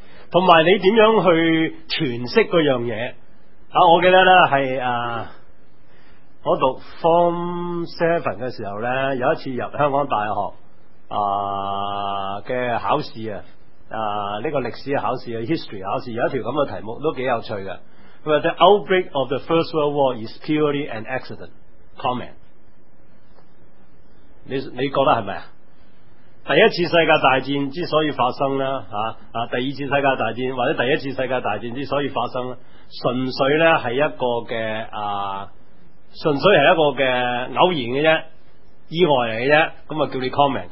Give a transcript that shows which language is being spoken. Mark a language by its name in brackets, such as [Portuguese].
[Cantonese] 同埋你点样去诠释嗰样嘢？我记得咧系我读 Form 7嘅时候咧，有一次入香港大学嘅考试啊，呢个历史考试啊 ，history 考试，有一条咁嘅题目都几有趣嘅。佢话 [English] The outbreak of the First World War is purely an accident. Comment。 [Cantonese] 你覺得是不是第一次世界大戰之所以發生呢、第二次世界大戰或者第一次世界大戰之所以發生純粹呢是一個的純粹是一個的偶然的啫，意外來的啫，那叫你 comment。